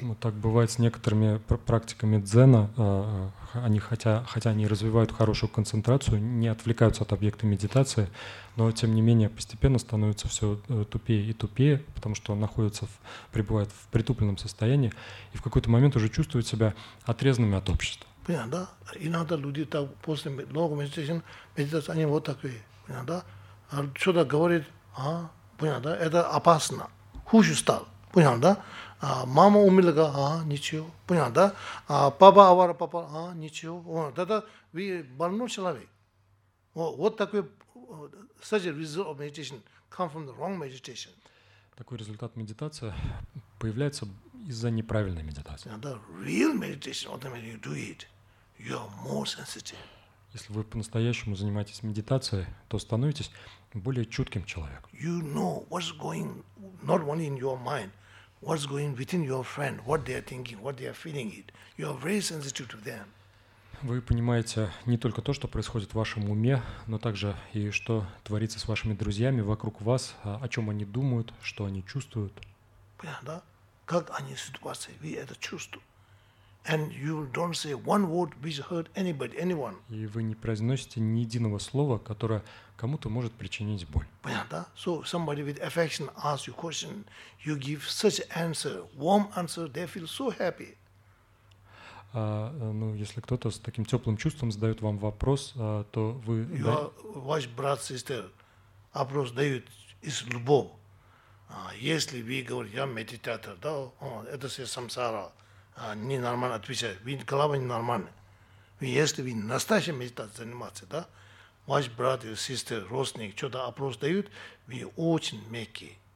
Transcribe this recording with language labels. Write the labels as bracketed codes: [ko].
[ru] Ну, так бывает с некоторыми практиками дзена. Они хотя они развивают хорошую концентрацию, не отвлекаются от объекта медитации, но тем не менее постепенно становятся все тупее и тупее, потому что находятся пребывают в притупленном состоянии и в какой-то момент уже чувствуют себя отрезанными от общества. Понятно, да? Иногда люди так после [en] long meditation, [ru] они вот такие, понятно, да? Что-то говорит, а, понятно, да? Это опасно. Хуже стал, понятно, да? мама умерла, ничего, понятно, да? А папа авара попал, ничего. Тогда вы больной человек. Вот такой, [en] such a result of meditation come from the wrong meditation. [ru] Такой результат медитации появляется из-за неправильной медитации. [en] The real meditation, when you do it, you are more sensitive. [ru] Если вы по-настоящему занимаетесь медитацией, то становитесь более чутким человеком. [en] You know what's going not only in your mind, what's going within your friend, what they are thinking, what they are feeling it. You are very sensitive to them. [ru] Вы понимаете не только то, что происходит в вашем уме, но также и что творится с вашими друзьями вокруг вас, о чем они думают, что они чувствуют. Понятно, да? Как они ситуации, вы это чувствуете. [en] And you don't say one word which hurt anybody, anyone. [ru] И вы не произносите ни единого слова, которое кому-то может причинить боль. Понятно, да? [en] So somebody with affection asks you question, you give such answer, warm answer, they feel so happy. [ru] Ну, если кто-то с таким теплым чувством задает вам вопрос, то вы... Ваш брат, сестер, вопрос дают из любого. Если вы говорите, я медитатор, да, это все самсара. Ненормально отвечать, ведь голова ненормальная. Если вы настоящей медитацией заниматься, да, ваш брат или сестра, родственник, что-то опрос дают, вы очень мягкие.